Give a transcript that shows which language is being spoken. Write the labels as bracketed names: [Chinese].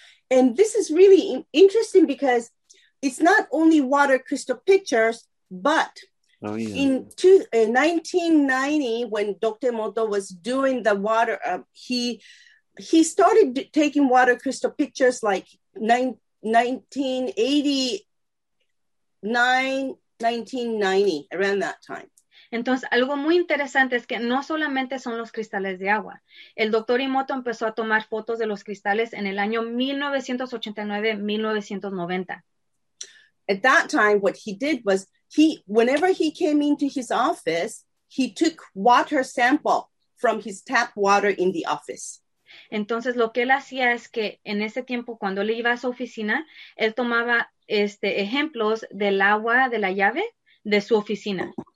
[English] And this is really interesting because it's not only water crystal pictures, but in 1990, when Dr. Emoto was doing the water, he started taking water crystal pictures like 1989, 1990, around that time. [Spanish] Entonces, algo muy interesante es que no solamente son los cristales de agua. El doctor Emoto empezó a tomar fotos de los cristales en el año 1989-1990. [English] At that time, what he did was, he, whenever he came into his office, he took water sample from his tap water in the office. [Spanish] Entonces, lo que él hacía es que en ese tiempo, cuando él iba a su oficina, él tomaba ejemplos del agua de la llave de su oficina.